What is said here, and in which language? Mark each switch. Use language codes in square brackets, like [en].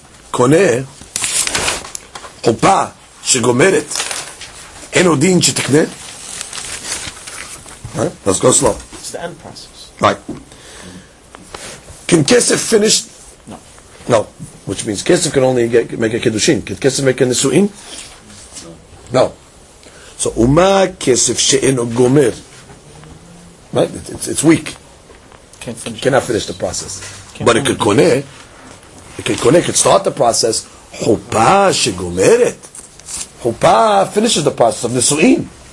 [he] קונה חופה שגומרת. אין עוד דין שתקנה? [en] אז go slow. It's the end process. Right. Can כסף finish? No. No. Which means כסף can only make a קדושין. Can כסף make a נישואין? No. [he] So, ומה הכסף שאינו גומר? [en] Right? It's weak. Cannot finish the process. But it could kone. It could kone, it could start the process. Chupa shegomeret. Chupa finishes the process of nisu'in.